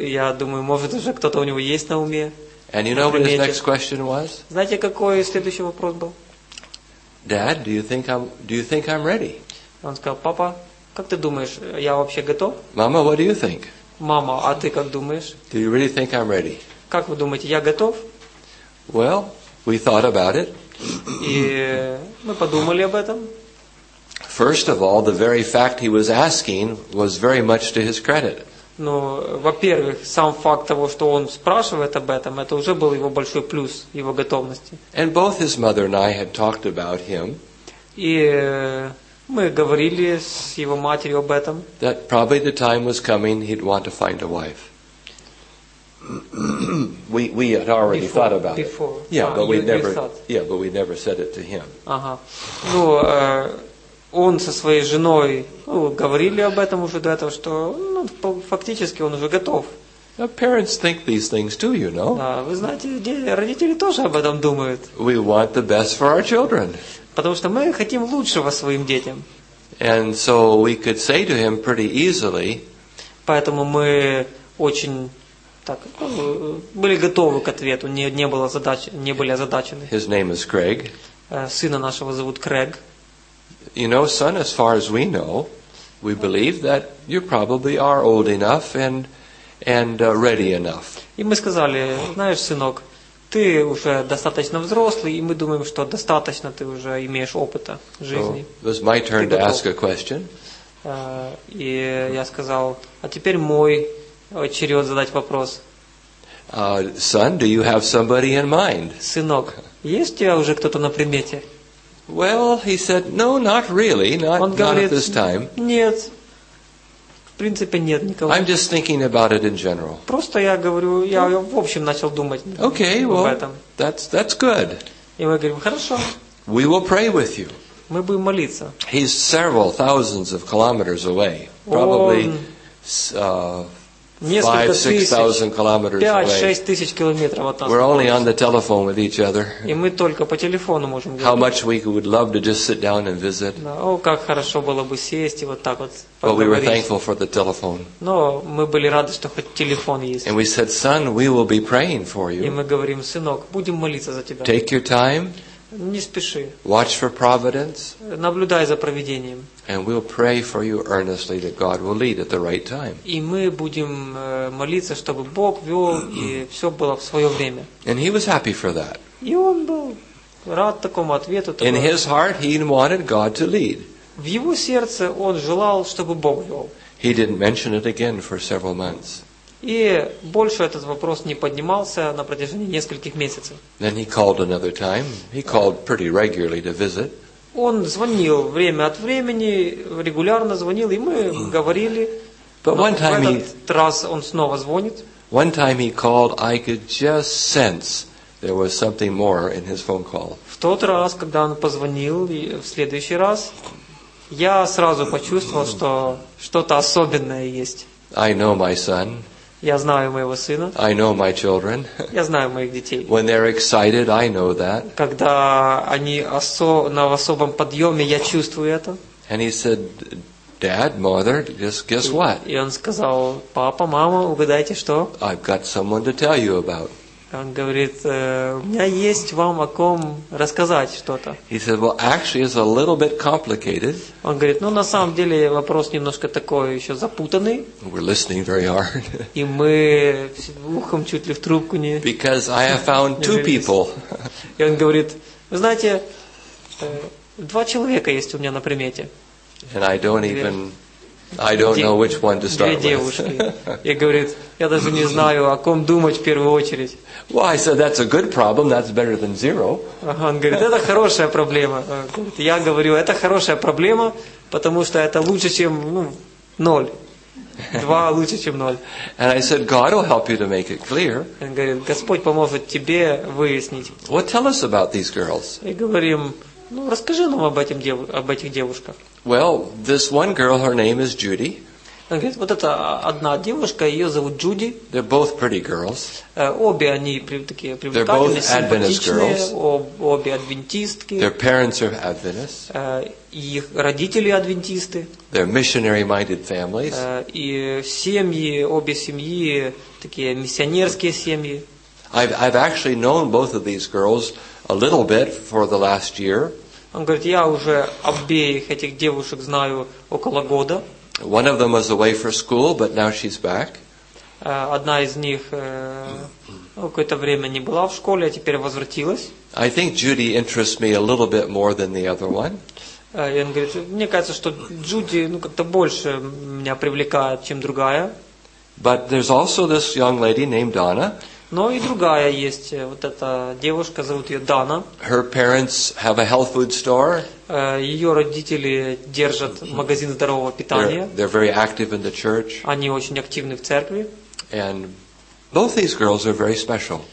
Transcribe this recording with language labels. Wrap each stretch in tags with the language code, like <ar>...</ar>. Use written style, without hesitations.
<ru>И я думаю, может уже кто-то у него есть на уме.</ru> <en>And you know what his next question was?</en> <ru>Знаете, какой следующий вопрос был?</ru> <en>Dad, do you think I'm ready?</en> <ru>Он сказал, папа, как ты думаешь, я вообще готов?</ru> <en>Mama, what do you think?</en> <ru>Мама, а ты как думаешь?</ru> <en>Do you really think I'm ready?</en> <ru>Как вы думаете, я готов?</ru> <en>Well, we thought about it.</en> <ru>И мы подумали об этом.</ru> <en>First of all, the very fact he was asking was very much to his credit.</en> <ru>Ну, во-первых, сам факт того, что он спрашивает об этом, это уже был его большой плюс, его готовности.</ru> <en>And both his mother and I had talked about him.</en> <ru>И мы говорили с его матерью об этом.</ru> <en>That probably the time was coming he'd want to find a wife. we had already before, thought about before. It. Yeah, ah, but you, we never. Yeah, but we never said it to him. Ага.</en> <ru>Ну, он со своей женой говорили об этом уже до этого, что ну фактически он уже готов.</ru> <en>Parents think these things too, you know.</en> <ru>Да, вы знаете, родители тоже об этом думают.</ru> <en>We want the best for our children.</en> <ru>Потому что мы хотим лучшего своим детям.</ru> <en>And so we could say to him pretty easily.</en> <ru>Поэтому мы очень так, были готовы к ответу, не было задач, не были озадачены.</ru> <en>His name is Craig.</en> <ru>Сына нашего зовут Крэг.</ru> <en>You know, son, as far as we know, we believe that you probably are old enough and ready enough.</en> <ru>И мы сказали, знаешь, сынок, ты уже достаточно взрослый, и мы думаем, что достаточно ты уже имеешь опыта жизни.</ru> <en>So, it was my turn to ask a question.</en> <ru>И я сказал, а теперь мой очеред задать вопрос.</ru> <en>Son, do you have somebody in mind?</en> <ru>Сынок, есть у тебя уже кто-то на примете?</ru> <en>Well, he said, no, not really,</en> <ru>он говорит,</ru> <en>not at this time.</en> <ru>Нет, в принципе нет никого.</ru> <en>I'm just thinking about it in general.</en> <ru>Просто я говорю, я в общем начал думать</ru> <en>okay,</en> <ru>об</ru> <en>well,</en> <ru>этом.</ru> <en>That's good.</en> <ru>И мы говорим, хорошо.</ru> <en>We will pray with you.</en> <ru>Мы будем молиться.</ru> <en>He's several thousands of kilometers away, probably.</en> <ru>Несколько</ru> <en>5-6 thousand kilometers away.</en> <ru>5-6 тысяч километров от нас.</ru> <en>We're only on the telephone with each other.</en> <ru>И мы только по телефону можем говорить.</ru> <en>How much we would love to just sit down and visit.</en> <ru>О, как хорошо было бы сесть и вот так вот поговорить.</ru> <en>But we were thankful for the telephone.</en> <ru>Но мы были рады, что хоть телефон есть.</ru> <en>And we said, son, we will be praying for you.</en> <ru>И мы говорим, сынок, будем молиться за тебя.</ru> <en>Take your time.</en> <ru>Не спеши.</ru> <en>Watch for providence.</en> <ru>Наблюдай за провидением.</ru> <en>And we'll pray for you earnestly that God will lead at the right time.</en> <ru>И мы будем молиться, чтобы Бог вёл и всё было в своё время.</ru> <en>And he was happy for that.</en> <ru>И он был рад такому ответу.</ru> <en>In his heart, he wanted God to lead.</en> <ru>В его сердце он желал, чтобы Бог вёл.</ru> <en>He didn't mention it again for several months.</en> <ru>И больше этот вопрос не поднимался на протяжении нескольких месяцев.</ru> <en>Then he called another time. He called pretty regularly to visit.</en> <ru>Он звонил время от времени, регулярно звонил, и мы говорили.</ru> <en>But one time</en> <ru>в этот раз он снова звонит.</ru> <en>One time he called, I could just sense There was something more in his phone call.</en> <ru>В тот раз, когда он позвонил, и в следующий раз, я сразу почувствовал, что что-то особенное есть.</ru> <en>I know my son.</en> <ru>Я знаю моего сына.</ru> <en>I know my children.</en> <ru>Я знаю моих детей.</ru> <en>When they're excited, I know that.</en> <ru>Когда они на особом подъеме, я чувствую это.</ru> <en>And he said, Dad, mother, just guess what?</en> <ru>И он сказал, папа, мама, угадайте что?</ru> <en>I've got someone to tell you about.</en> <ru>Он говорит, у меня есть вам о ком рассказать что-то.</ru> <en>He said, well, actually, it's a little bit complicated.</en> <ru>Он говорит, ну, на самом деле, вопрос немножко такой еще запутанный.</ru> <en>We're listening very hard.</en> <ru>И мы ухом чуть ли в трубку не...</ru> <en>Because I have found two people.</en> <ru>И он говорит, вы знаете, два человека есть у меня на примете.</ru> <en>And I don't even... I don't know which one to start with.</en> <ru>И говорит, я даже не знаю, о ком думать в первую очередь.</ru> <en>Well, I said, that's a good problem, that's better than zero.</en> <ru>Он говорит, это хорошая проблема. Я говорю, это хорошая проблема, потому что это лучше, чем ноль. Два лучше, чем ноль.</ru> <en>And I said, God will help you to make it clear.</en> <ru>Он говорит, Господь поможет тебе выяснить.</ru> <en>Well, tell us about these girls.</en> <ru>И говорим, ну, расскажи нам об этих девушках.</ru> <en>Well, this one girl, her name is Judy.</en> <ru>Он говорит, вот это одна девушка, ее зовут Джуди.</ru> <en>They're both pretty girls.</en> <ru>Обе они такие привлекательные, симпатичные. Обе адвентистки.</ru> <en>Their parents are Adventists.</en> <ru>Их родители адвентисты.</ru> <en>They're missionary-minded families.</en> <ru>И семьи, обе семьи такие миссионерские семьи.</ru> <en>I've actually known both of these girls a little bit for the last year.</en> <ru>Он говорит, я уже обеих этих девушек знаю около года.</ru> <en>One of them was away for school, but now she's back.</en> <ru>Одна из них какое-то время не была в школе, а теперь возвратилась.</ru> <en>I think Judy interests me a little bit more than the other one.</en> <ru>И он говорит, мне кажется, что Джуди как-то больше меня привлекает, чем другая.</ru> <en>But there's also this young lady named Donna.</en> <ru>Но и другая есть, вот эта девушка, зовут ее Дана.</ru> <en>Her parents have a health food store.</en> <ru>Ее родители держат магазин здорового питания.</ru> <en>They're very active in the church.</en> <ru>Они очень активны в церкви.</ru> <en>And both these girls are very special.</en>